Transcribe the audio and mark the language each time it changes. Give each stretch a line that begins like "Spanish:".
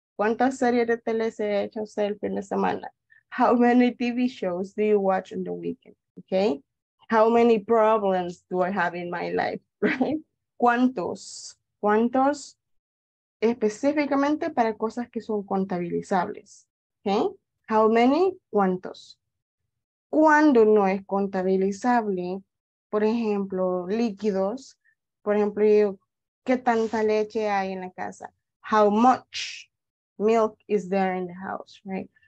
Spanish: ¿Cuántas series de tele se ha hecho usted el fin de semana?
English: How many TV shows do you watch on the weekend? Okay. How many problems do I have in my life?
Spanish: Right? ¿Cuántos? ¿Cuántos? Específicamente para cosas que son contabilizables. Okay.
English: How many?
Spanish: ¿Cuántos? Cuando no es contabilizable, por ejemplo, líquidos. Por ejemplo, yo, ¿qué tanta leche hay en la casa?
English: How much milk is there in the house, right?